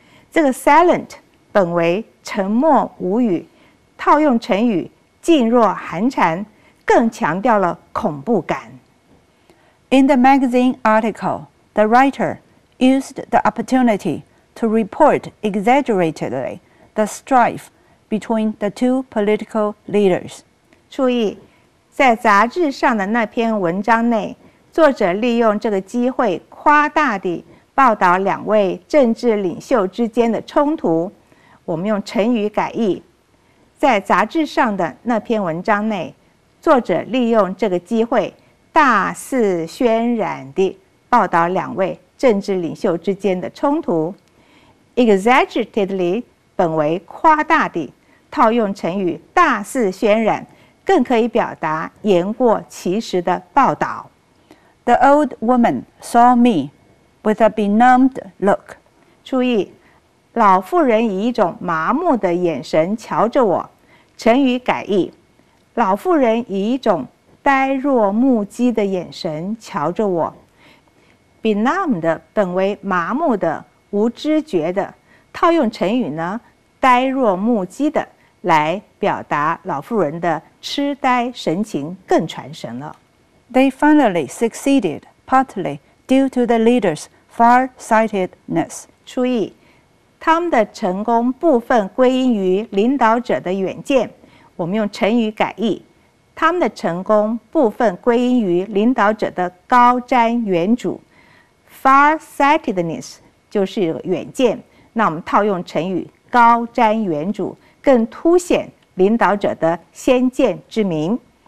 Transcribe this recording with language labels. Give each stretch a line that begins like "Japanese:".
Chinese: 这个 silent 本为沉默无语，套用成语噤若寒蝉，更强调了恐怖感。
English: In the magazine article, the writer used the opportunity to report exaggeratedly the strife between the two political leaders.
Chinese: 注意，在杂志上的那篇文章内，作者利用这个机会夸大地报道两位政治领袖之间的冲突。我们用成语改译，在杂志上的那篇文章内，作者利用这个机会大肆渲染地报道两位政治领袖之间的冲突。 Exaggeratedly 本为夸大地，套用成语大肆渲染，更可以表达言过其实的报道。
English: The old woman saw me with a benumbed look.
Chinese: 注意，老妇人以一种麻木的眼神瞧着我。成语改义，老妇人以一种呆若木鸡的眼神瞧着我。 Benumbed 本为麻木的、无知觉的，套用成语呢，呆若木鸡的，来表达老妇人的痴呆神情更传神了。
English: They finally succeeded, partly due to the leader's far-sightedness.
Chinese: 注意，他们的成功部分归因于领导者的远见。我们用成语改义，他们的成功部分归因于领导者的高瞻远瞩。 Far-sightedness 就是远见，那我们套用成语高瞻远瞩，更凸显领导者的先见之明。